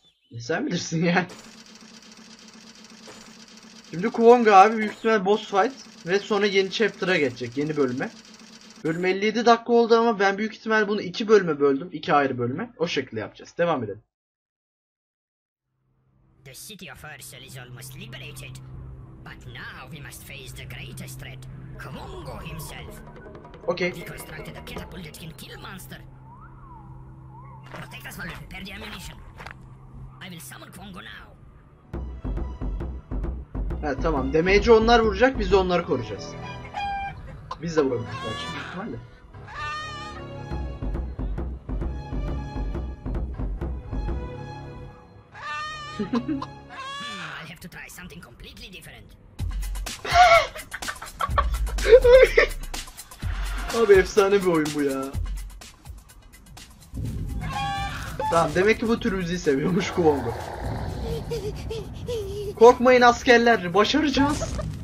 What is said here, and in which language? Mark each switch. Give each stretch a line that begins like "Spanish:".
Turkish: Ne sen bilirsin ya. Şimdi Kuonga abi büyük ihtimal boss fight ve sonra yeni chapter'a geçecek, yeni bölüme. Bölüm 57 dakika oldu ama ben büyük ihtimal bunu 2 bölüme böldüm, 2 ayrı bölüme. O şekilde yapacağız. Devam edelim.
English: The city of Ursel is almost liberated. But now we must face the greatest threat, Kuongo himself. Okay. We constructed a catapult that can kill monster. Protect us while we prepare the ammunition. I will summon Kuongo now.
Turkish: Ha tamam. Damage onlar vuracak, biz de onları koruyacağız. Biz de vurabiliriz belki. İhtimalle.
English: I have to try something completely different.
Turkish: Abi efsane bir oyun bu ya. Tamam, demek ki bu tür müziği seviyormuş Kuongo. Korkmayın askerler, başaracağız.